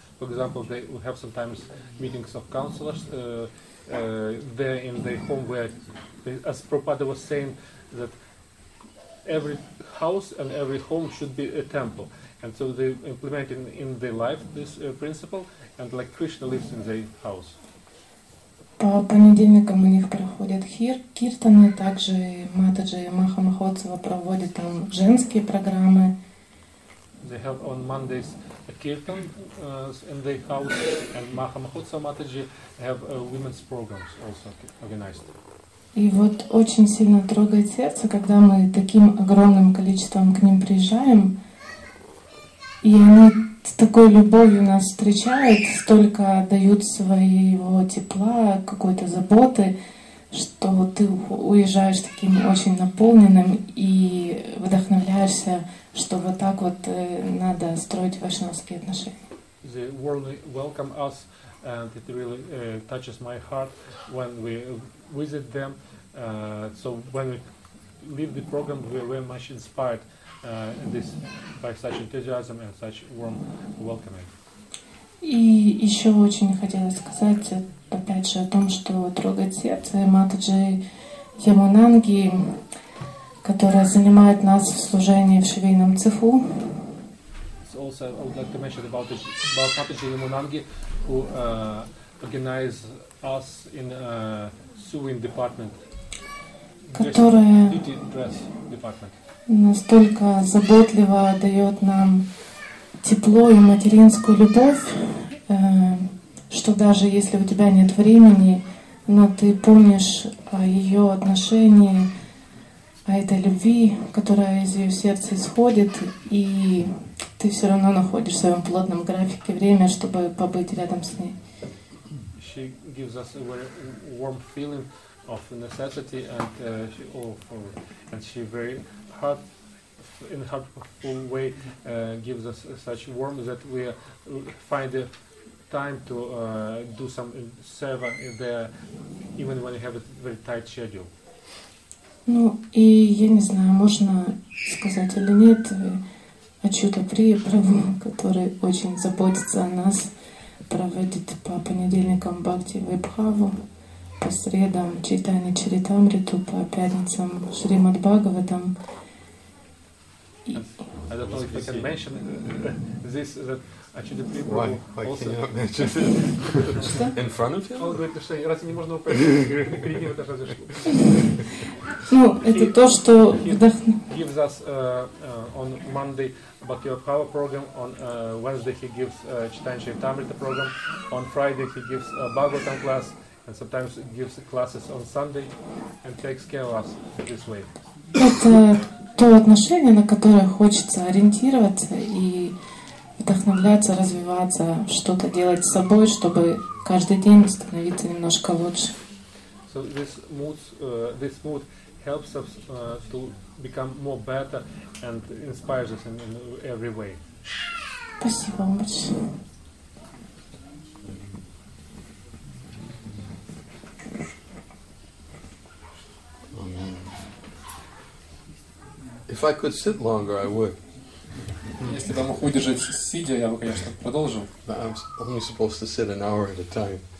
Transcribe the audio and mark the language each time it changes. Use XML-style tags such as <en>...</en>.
<en>For example, they have sometimes meetings of counselors there in the home where, as Prabhupada was saying, that every house and every home should be a temple. And so they implement in their life this principle, and like Krishna lives in their house.</en> <ru>По понедельникам у них проходят киртаны, также Матаджи и Маха Махотсава проводят там женские программы.</ru> <en>They have on Mondays a kirtan in their house, and Maha Mahotsava Mataji have women's programs also organized.</en> <ru>И вот очень сильно трогает сердце, когда мы таким огромным количеством к ним приезжаем, и они с такой любовью нас встречают, столько дают своего тепла, какой-то заботы, что ты уезжаешь таким очень наполненным и вдохновляешься, что вот так вот надо строить вайшнавские отношения.</ru> <en>The world welcome us, and it really touches my heart when we visit them. So when we leave the program, we are very much inspired this by such enthusiasm and such warm welcoming.</en> <ru>И еще очень хотела сказать опять же о том, что трогает сердце Матаджи Ямананги, которая занимает нас в служении в швейном цеху.</ru> <en>So also, I would like to mention about Matiji Yamunangi, who organizes us in sewing department,</en> <ru>которая</ru> <en>dress department.</en> <ru>Настолько заботливо дает нам тепло и материнскую любовь, что даже если у тебя нет времени, но ты помнишь о ее отношении, о этой любви, которая из ее сердца исходит, и ты все равно находишь в своем плотном графике время, чтобы побыть рядом с ней.</ru> <en>She gives us a very warm feeling of necessity, and she very heartful way gives us such warmth that we find the time to do some serve there, even when we have a very tight schedule.</en> <ru>Ну, и я не знаю, можно сказать или нет, о чьё-то приправу, который очень заботится о нас, проводит по понедельникам Бхакти Вайбхаву, по средам Чайтани Чаритамриту, по пятницам Шримад Бхагаватам.</ru> <en>I don't know if I can mention this, that Ачюта Прибху. Why can you not mention it?</en> <ru>Что?</ru> <en>In front of him?</en> <ru>Он говорит, что разве не можно упасть? Крики, это же что? Ну, это то, что вдохновляет.</ru> <en>Gives us on Monday Bhakti Vaibhava program, on Wednesday he gives Chaitanya Charitamrita program, on Friday he gives Bhagavatam class, and sometimes gives classes on Sunday, and takes care of us this way.</en> <ru>Это то отношение, на которое хочется ориентироваться и вдохновляться, развиваться, что-то делать с собой, чтобы каждый день становиться немножко лучше.</ru> <en>So this mood, this mood helps us to become more better and inspires us in every way.</en> <ru>Спасибо вам большое.</ru> <en>If I could sit longer, I would.</en> <ru>Если бы мог удержать сидя, я бы, конечно, продолжил.</ru> <en>But I'm only supposed to sit an hour at a time.</en>